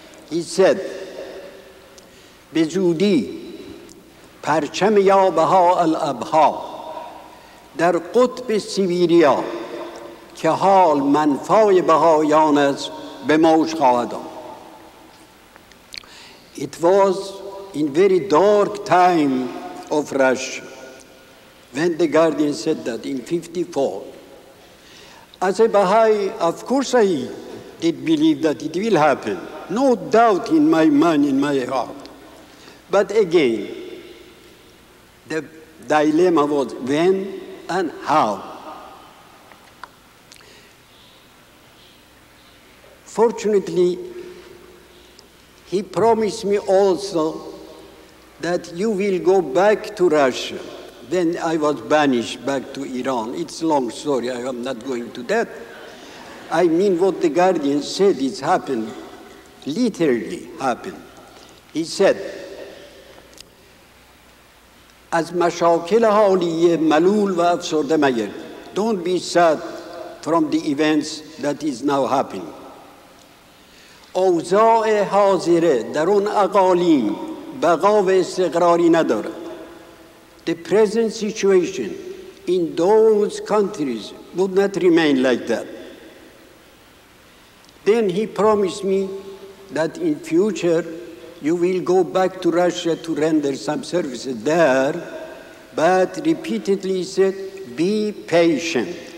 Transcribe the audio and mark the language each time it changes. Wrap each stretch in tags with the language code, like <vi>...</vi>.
<en>He said,</en> <fa>Bezudi, Parcham ya Baha al-Abha, در قطب سیبیریا که حال منفای بهایان است به موج خواهد آمد.</fa> <en>It was in very dark time of Russia when the guardian said that in 54. As a Baha'i, of course I did believe that it will happen. No doubt in my mind, in my heart. But again, the dilemma was when and how. Fortunately, he promised me also that you will go back to Russia. Then I was banished back to Iran. It's a long story, I am not going to that. I mean what the guardian said, it's happened, literally happened. He said,</en> <fa>از مشاکل حالیه ملول و افسرده مگر.</fa> <en>Don't be sad from the events that is now happening.</en> <fa>اوضاع حاضره در اون اقالیم بقا و استقراری نداره.</fa> <en>The present situation in those countries would not remain like that. Then he promised me that in future you will go back to Russia to render some services there, but repeatedly said, be patient.</en>